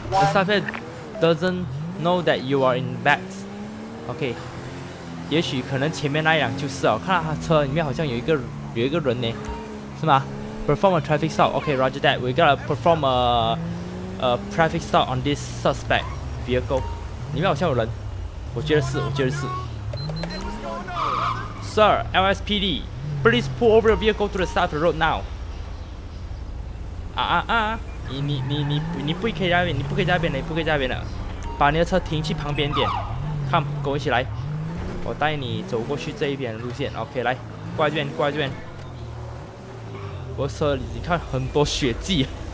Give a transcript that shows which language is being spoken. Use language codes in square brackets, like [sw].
[en] The suspect doesn't know that you are in back. [zh] Okay. 也许可能前面那一辆就是哦，看到他车里面好像有一个人呢，是吗 ？ [en] Perform a traffic stop. Okay, Roger that. We gotta perform a traffic stop on this suspect vehicle. [zh] 里面好像有人，我觉得是。 [en] Sir, LSPD. Please pull over your vehicle to the side of the road now. [zh] 你不可以在那边，你不可以在那边的，你不可以在那边的。把你的车停去旁边点。Come, 跟我一起来。我带你走过去这一边的路线。 OK, 来，过来这边，过来这边。我车里你看很多血迹。